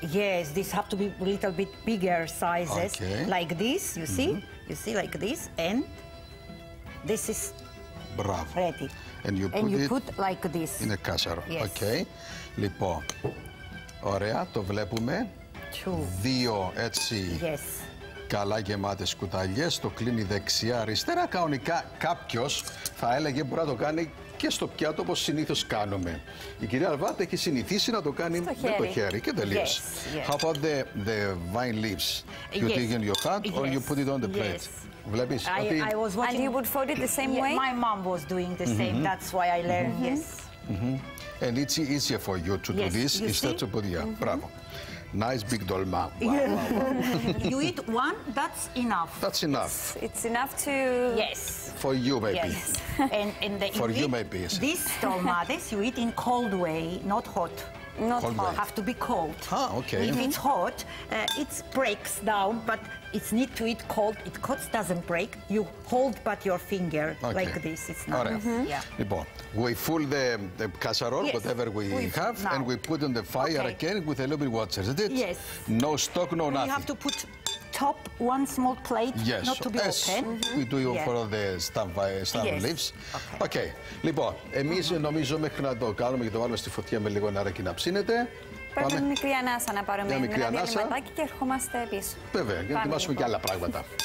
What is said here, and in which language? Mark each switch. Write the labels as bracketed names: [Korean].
[English] Yes, this have to be a little bit bigger sizes, okay. Like this. You see, you see, like this, and this is bravo. Ready. And you put, and you it put like this in a casserole. Yes. Okay. [Greek] Λοιπόν, ωραία, το βλέπουμε. [English] Two. [Greek] Δύο, έτσι. [English] Yes. [Greek] Καλά γεμάτες κουταλιές, το κλείνει δεξιά-αριστερά. Κανονικά κάποιος θα έλεγε μπορεί να το κάνει και στο πιάτο όπως συνήθως κάνουμε. Η κυρία Αλβάρτ έχει συνηθίσει να το κάνει στο με χέρι. Το χέρι και τελείως. [English] How about the vine leaves? You take in your hand or you put it on the plate? [Greek] Βλέπεις ότι... [English] And you would fold it the same way? My mom was doing the same, that's why I learned, yes. And it's easier for you to do this instead of putting it. [Greek] Μπράβο. [English] Nice big dolma. Wow, wow, wow. You eat one, that's enough. That's enough. It's enough to... Yes. For you, maybe. Yes. And the, for you, maybe. Yes. This dolma, this you eat in cold way, not hot. Not cold hot. Way. Have to be cold. Ah, okay. If it's hot, it breaks down, but it's need to eat cold. It cuts, doesn't break. You hold but your finger like this. It's not. Right. We fill the casserole, whatever we have, now. And we put on the fire again with a little bit of water, isn't it? Yes. No stock, no nothing. You have to put top one small plate, yes, not to be as open. We do for the stamp leaves. Okay. [Greek] Λοιπόν, εμείς νομίζω μέχρι να το κάνουμε και το βάλουμε στη φωτιά με λίγο νερά και να ψήνεται. Πρέπει μια μικρή ανάσα να πάρουμε ένα διαλυματάκι και ερχόμαστε πίσω. Βέβαια, για να ετοιμάσουμε και άλλα πράγματα.